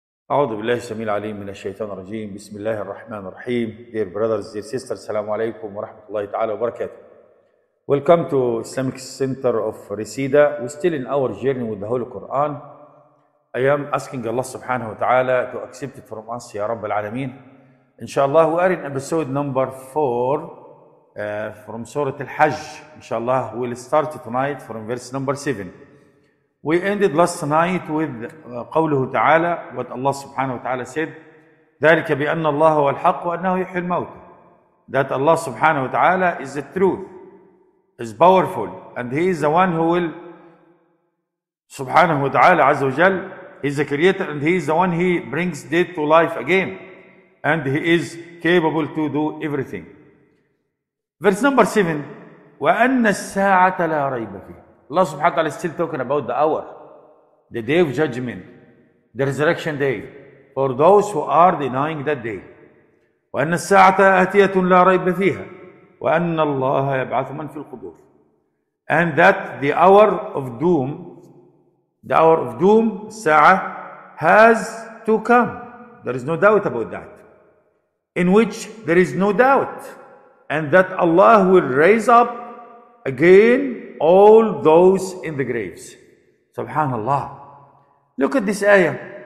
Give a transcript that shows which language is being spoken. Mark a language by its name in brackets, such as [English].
[Arabic] أعوذ بالله السميع العليم من الشيطان الرجيم. بسم الله الرحمن الرحيم. [English] Dear brothers, dear sisters, [Arabic] السلام عليكم ورحمة الله تعالى وبركاته. [English] Welcome to Islamic Center of Reseda. We're still in our journey with the Holy Quran. I am asking Allah سبحانه وتعالى to accept it from us, [Arabic] يا رب العالمين. [English] إن شاء الله we are in episode number 4 from سورة الحج. إن شاء الله we'll start tonight from verse number 7. We ended last night with [Arabic] قوله تعالى [English] what Allah سبحانه وتعالى said [Arabic] ذلك بأن الله هو الحق وأنه يحيي الموتى. [English] That Allah سبحانه وتعالى is the truth, is powerful, and He is the one who will [Arabic] سبحانه وتعالى عز وجل, [English] He is the creator and He is the one He brings dead to life again, and He is capable to do everything. Verse number 7, [Arabic] وأن الساعة لا ريب فيه. [English] Allah subhanahu wa ta'ala is still talking about the hour, the day of judgment, the resurrection day, for those who are denying that day. [Arabic] وأن الساعة آتية لا ريب فيها وأن الله يبعث من في القبور. [English] And that the hour of doom, the hour of doom, الساعة, has to come. There is no doubt about that. In which there is no doubt. And that Allah will raise up again all those in the graves. Subhanallah. Look at this ayah.